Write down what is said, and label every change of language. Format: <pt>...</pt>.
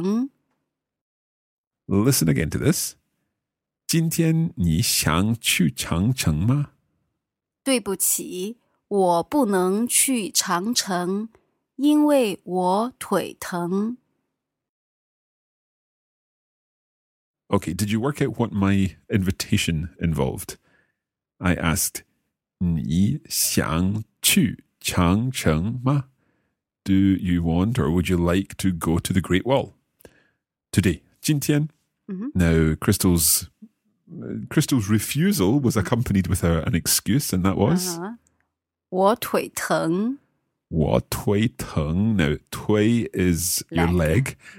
<zh>对不起,我不能去长城,因为我腿疼。</zh> <en>Listen again to this.</en> <zh>今天你想去长城吗? 对不起,我不能去长城,因为我腿疼。</zh> <en>Okay, did you work out what my invitation involved? I asked,</en> <zh>你想去长城吗?</zh> <en>Do you want or would you like to go to the Great Wall? Today,</en> <zh>今天. Mm-hmm.</zh> <en>Now, Crystal's refusal was accompanied with an excuse, and that was?</en> <zh>我腿疼. 我腿疼.</zh> <en>Now, 腿 is your leg.</en>